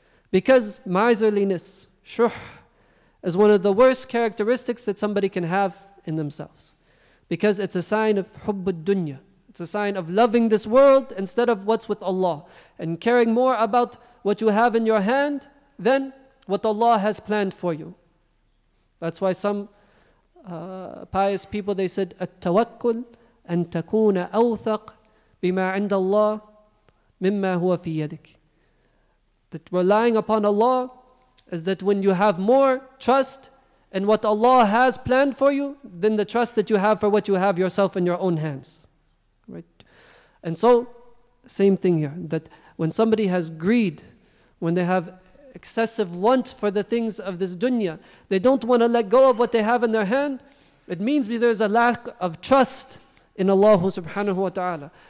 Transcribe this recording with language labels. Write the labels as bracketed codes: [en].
[en] Because miserliness, shuh, is one of the worst characteristics that somebody can have in themselves. Because it's a sign of hubb ad-dunya. It's a sign of loving this world instead of what's with Allah. And caring more about what you have in your hand than what Allah has planned for you. That's why some pious people, they said, [ar] التوكل أن تكون أوثق بما عند الله مما هو في يدك. [en] That relying upon Allah is that when you have more trust in what Allah has planned for you than the trust that you have for what you have yourself in your own hands. Right? And so, same thing here, that when somebody has greed, when they have excessive want for the things of this dunya, they don't want to let go of what they have in their hand, it means there's a lack of trust in Allah subhanahu wa ta'ala.